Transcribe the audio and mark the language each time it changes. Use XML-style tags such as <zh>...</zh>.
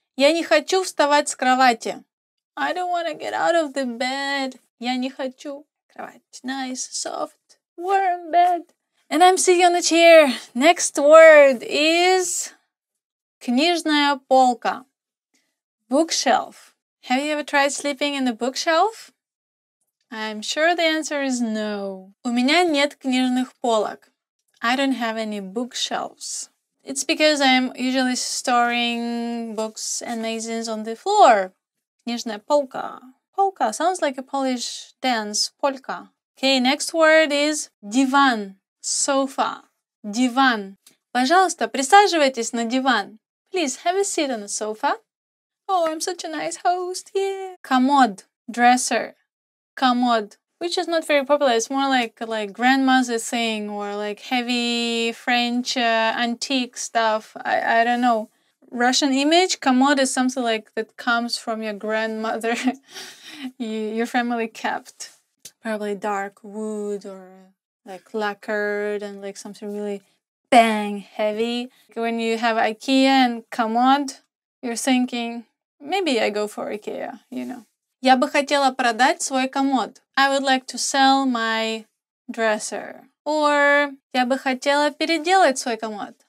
<ru>Я не хочу вставать с кровати.</ru> <en>I don't want to get out of the bed.</en> <ru>Я не хочу. Кровать.</ru> <en>Nice, soft, warm bed. And I'm sitting on the chair. Next word is</en> <ru>книжная полка.</ru> <en>Bookshelf. Have you ever tried sleeping in the bookshelf? I'm sure the answer is no.</en> <ru>У меня нет книжных полок.</ru> <en>I don't have any bookshelves. It's because I'm usually storing books and magazines on the floor.</en> <ru>Книжная полка.</ru> <en>Полка sounds like a Polish dance. Polka. Okay, next word is диван. Sofa. Диван.</en> <ru>Пожалуйста, присаживайтесь на диван.</ru> <en>Please, have a seat on the sofa. Oh, I'm such a nice host, yeah. Комод. Dresser. Комод. Which is not very popular. It's more like grandma's thing or like heavy French antique stuff. I don't know. Russian image. Commode is something like that comes from your grandmother. your family kept. Probably dark wood or like lacquered and like something really bang heavy. When you have IKEA and commode, you're thinking, maybe I go for IKEA, you know.</en> <ru>Я бы хотела продать свой комод.</ru> <en>I would like to sell my dresser.</en> <ru>Or я бы хотела переделать свой комод.</ru>